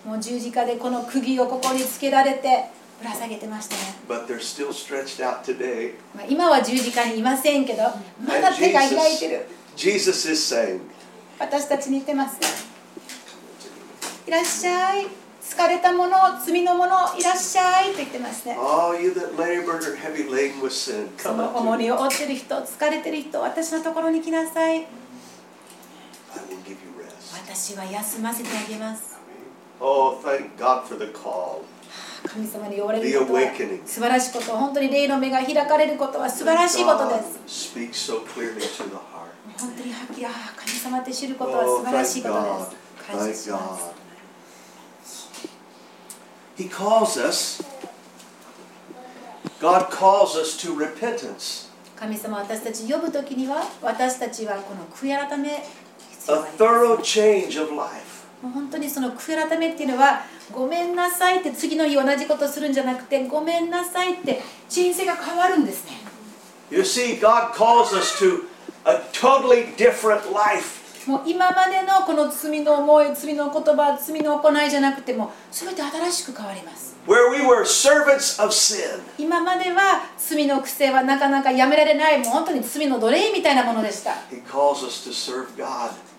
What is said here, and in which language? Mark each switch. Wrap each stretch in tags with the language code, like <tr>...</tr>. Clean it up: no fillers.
<ja>もう十字架でこの釘をここにつけられてぶら下げてましたね。</ja> <en>But they're still stretched out today.</en> <ja>まあ今は十字架にいませんけど、まだ手が開いてる。</ja> <en>Jesus is saying.</en> <ja>私たちに言ってます。いらっしゃい。疲れたもの、罪のもの、いらっしゃいと言ってますね。</ja> <en>All you that labor and heavy laden with sin, come unto me.</en> <ja>重荷を負ってる人、疲れてる人、私のところに来なさい。</ja> <en>I will give you rest.</en> <ja>私は休ませてあげます。</ja> <en>Oh, thank God for the call.</en> <ja>神様に言われることは素晴らしいこと、本当に霊の目が開かれることは素晴らしいことです。 God speaks so clearly to the heart. 本当にはっきり、ああ神様って知ることは素晴らしいことです。感謝します。</ja> <en>He calls us. God calls us to repentance.</en> <ja>神様私たち呼ぶときには、私たちはこの悔い改め必要です。</ja> <en>A thorough change of life.</en> <ja>もう本当にその悔い改めっていうのは、ごめんなさいって次の日同じことするんじゃなくて、ごめんなさいって人生が変わるんですね。</ja> <en>You see, God calls us to a totally different life.</en> <ja>もう今までのこの罪の思い、罪の言葉、罪の行いじゃなくても、すべて新しく変わります。</ja> <en>Where we were servants of sin.</en> <ja>今までは罪の癖はなかなかやめられない、もう本当に罪の奴隷みたいなものでした。</ja> <en>He calls us to serve God.</en>